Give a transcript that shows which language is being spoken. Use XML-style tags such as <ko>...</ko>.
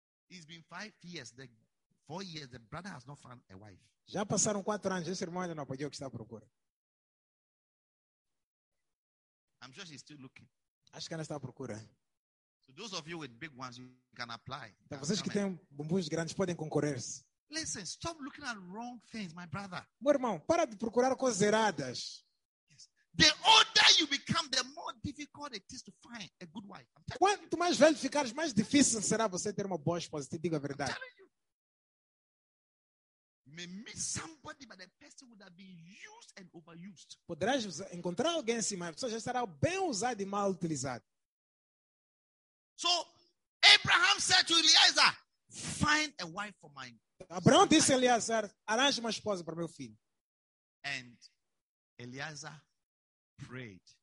<en>It's been 5 years, 4 years, the brother has not found a wife.</en> <pt>Já passaram 4 anos, esse irmão ainda não apoiou o que está à procura.</pt> <en>I'm sure she's still looking.</en> <pt>Acho que ela está à procura.</pt> <en>So those of you with big ones, you can apply.</en> <pt>Então, vocês que têm bumbuns grandes podem concorrer-se.</pt> <en>Listen, stop looking at wrong things, my brother.</en> <pt>Meu irmão, para de procurar coisas erradas.</pt> <en>Yes. The older you become, the more difficult it is to find a good wife.</en> <pt>Quanto mais velho ficares, mais difícil será você ter uma boa esposa. Te digo a verdade.</pt> <en>You may meet somebody, but a person would have been used and overused.</en> <pt>Poderás encontrar alguém assim, mas a pessoa já será bem usada e mal utilizada.</pt> <en>So Abraham said to Eliezer, find a wife for my son.</en> <pt>Abraão disse a Eliezer, arranje uma esposa para meu filho.</pt> <en>And Eliezer prayed.</en>